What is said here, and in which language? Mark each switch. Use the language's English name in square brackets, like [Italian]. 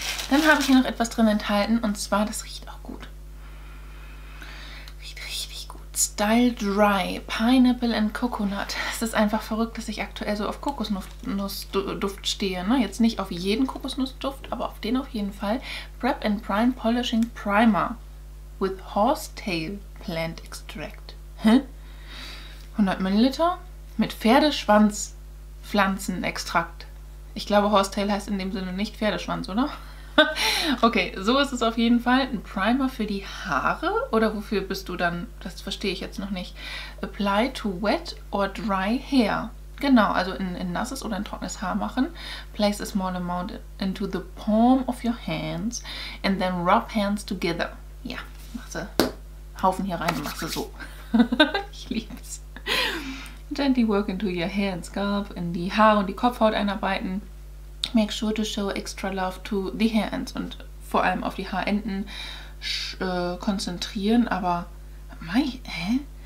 [German] Dann habe ich hier noch etwas drin enthalten und zwar, das riecht auch gut. Riecht richtig gut. Style Dry Pineapple and Coconut. Es ist einfach verrückt, dass ich aktuell so auf Kokosnussduft stehe. Ne? Jetzt nicht auf jeden Kokosnussduft, aber auf den auf jeden Fall. [English] Prep and Prime Polishing Primer with Horsetail Plant Extract. Hä? [German] 100 Milliliter mit Pferdeschwanzpflanzenextrakt. Ich glaube, Horsetail heißt in dem Sinne nicht Pferdeschwanz, oder? Okay, so ist es auf jeden Fall. Ein Primer für die Haare? Oder wofür bist du dann? Das verstehe ich jetzt noch nicht. [English] Apply to wet or dry hair. [German] Genau, also in nasses oder in trockenes Haar machen. [English] Place a small amount into the palm of your hands and then rub hands together. [German] Ja, machst du Haufen hier rein und machst du so. Ich lieb's. [English] Gently work into your hair and scalp, [German] in die Haare und die Kopfhaut einarbeiten. [English] Make sure to show extra love to the hair ends [German] und vor allem auf die Haarenden konzentrieren, aber mei, hä?